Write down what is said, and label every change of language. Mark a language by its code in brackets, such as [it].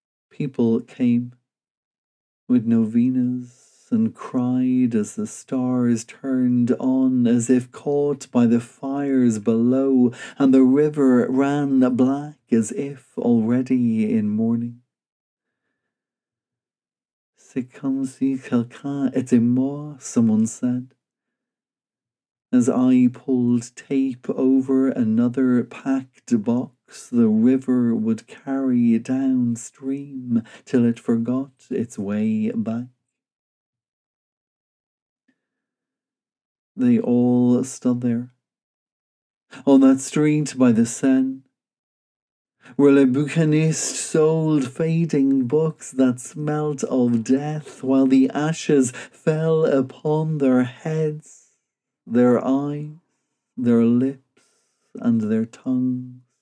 [en] People came with novenas and cried as the stars turned on, as if caught by the fires below, and the river ran black as if already in mourning. [fr] C'est comme si quelqu'un était mort, [en] someone said, as I pulled tape over another packed box. The river would carry downstream till it forgot its way back. They all stood there, on that street by the Seine, where Le Bouquiniste sold fading books that smelt of death, while the ashes fell upon their heads, their eyes, their lips, and their tongues.